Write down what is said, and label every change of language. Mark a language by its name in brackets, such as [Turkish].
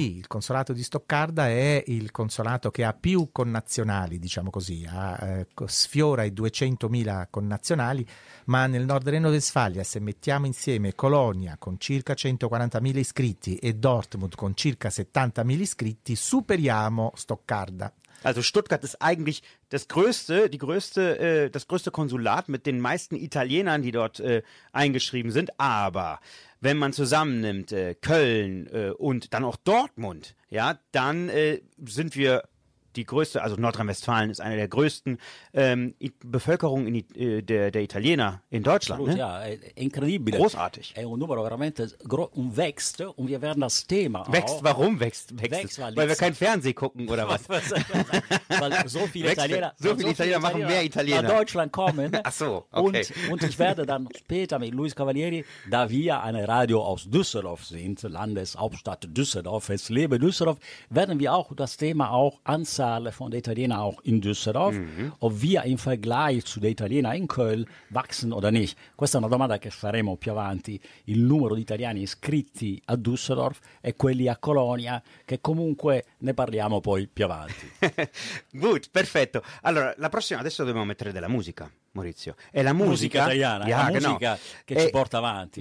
[Italian] Sì, il consolato di Stoccarda è il consolato che ha più connazionali, diciamo così, sfiora i 200.000 connazionali, ma nel nord Reno-Vestfalia, se mettiamo insieme Colonia con circa 140.000 iscritti e Dortmund con circa 70.000 iscritti, superiamo Stoccarda. [German] Also Stuttgart ist eigentlich das größte Konsulat mit den meisten Italienern, die dort eingeschrieben sind, aber wenn man zusammennimmt Köln und dann auch Dortmund, ja, dann sind wir die größte, also Nordrhein-Westfalen ist eine der größten Bevölkerung der Italiener in Deutschland. [Italian] Ja, incredibile. [German] Großartig. [Italian] È un numero veramente [German] und wächst, und wir werden das Thema. Wächst, warum wächst weil wir kein Fernsehen gucken oder was? Weil so viele Italiener, machen mehr Italiener nach Deutschland kommen. Ach so, okay. Und ich werde dann später mit Luis Cavalieri, da wir eine Radio aus Düsseldorf sind, Landeshauptstadt Düsseldorf, es lebe Düsseldorf, werden wir auch das Thema auch anziehen. Von den Italienern auch in Düsseldorf, ob wir im Vergleich zu den Italienern in Köln wachsen oder nicht. [Italian] Questa è una domanda che faremo più avanti. Il numero di italiani iscritti a Düsseldorf e quelli a Colonia, che comunque ne parliamo poi più avanti. Gut, perfetto. Allora, la prossima, adesso dobbiamo mettere della musica, Maurizio. È la musica italiana, yeah, la musica che ci porta avanti.